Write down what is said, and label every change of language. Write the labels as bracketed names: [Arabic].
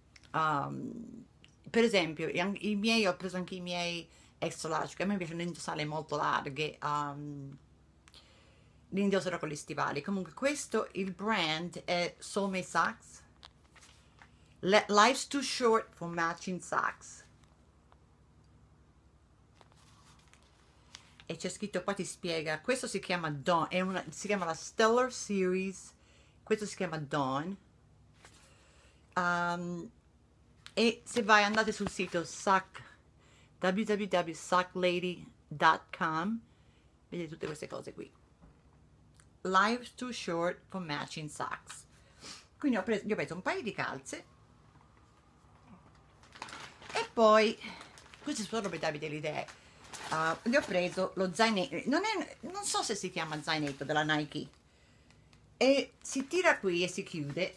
[Italian] Per esempio, i miei, ho preso anche i miei extra large, che a me piacciono indossare molto larghe. Li indosserò con gli stivali. Comunque, questo il brand è Soulmate Socks. [English] Life's too short for matching socks. [Italian] E c'è scritto qua, ti spiega. Questo si chiama Dawn. Si chiama la Stellar Series. Questo si chiama Dawn. E se vai, andate sul sito www.socklady.com, vedete tutte queste cose qui. [English] Life's too short for matching socks. [Italian] Quindi io ho preso un paio di calze. E poi, questi sono per darvi delle idee. Gli ho preso lo zainetto. Non so se si chiama zainetto della Nike. E si tira qui e si chiude.